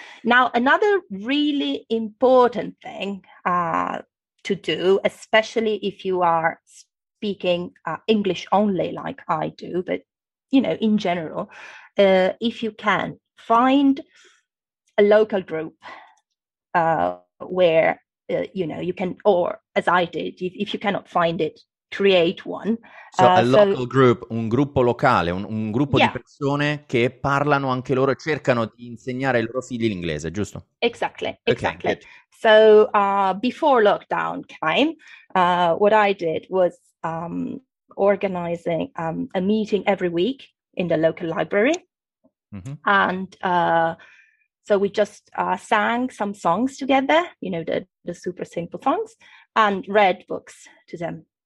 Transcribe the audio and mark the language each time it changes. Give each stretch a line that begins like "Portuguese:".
English: Now, another really important thing to do, especially if you are speaking English only like I do, but, you know, in general, if you can, find a local group where, you know, you can, or as I did, if you cannot find it, create one.
Italian: Group, un gruppo locale, un gruppo di persone che parlano anche loro e cercano di insegnare ai loro figli l'inglese, giusto?
English: Exactly. Okay, so before lockdown came, what I did was organizing a meeting every week in the local library. Mm-hmm. And so we just sang some songs together, you know, the super simple songs, and read books to them.